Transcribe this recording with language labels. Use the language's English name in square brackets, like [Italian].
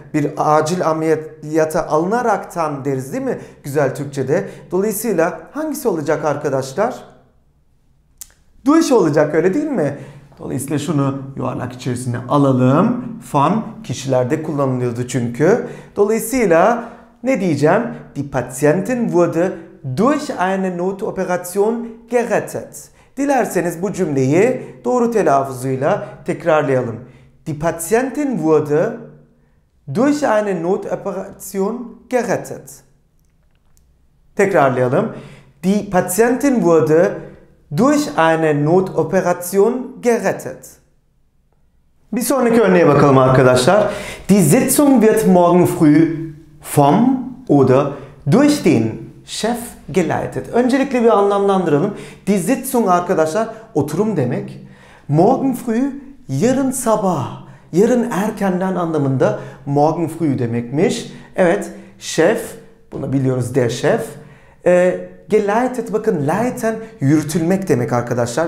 [Turkish] Bir acil ameliyata alınaraktan deriz değil mi? Güzel Türkçe'de. Dolayısıyla hangisi olacak arkadaşlar? Durch olacak öyle değil mi? Dolayısıyla şunu yuvarlak içerisine alalım. Von kişilerde kullanılıyordu çünkü. Dolayısıyla ne diyeceğim? [German] Die Patientin wurde durch eine Notoperation gerettet. [Turkish] Dilerseniz bu cümleyi doğru telaffuzuyla tekrarlayalım. [German] Die Patientin wurde durch eine Notoperation gerettet. [Turkish] Tekrarlayalım. [German] Die Patientin wurde durch eine Notoperation gerettet. [Turkish] Bir sonraki örneğe bakalım arkadaşlar. [German] Die Sitzung wird morgen früh vom oder durch den Chef geleitet. [Turkish] Öncelikle bir anlamlandıralım. [German] Die Sitzung [Turkish] arkadaşlar oturum demek. [German] Morgen früh [Turkish] yarın sabah. Yarın erkenden anlamında [German] morgen früh [Turkish] demekmiş. Evet, Chef, bunu biliyoruz [German] der Chef. [Turkish] Geleitet, bakın leiten yürütülmek demek arkadaşlar.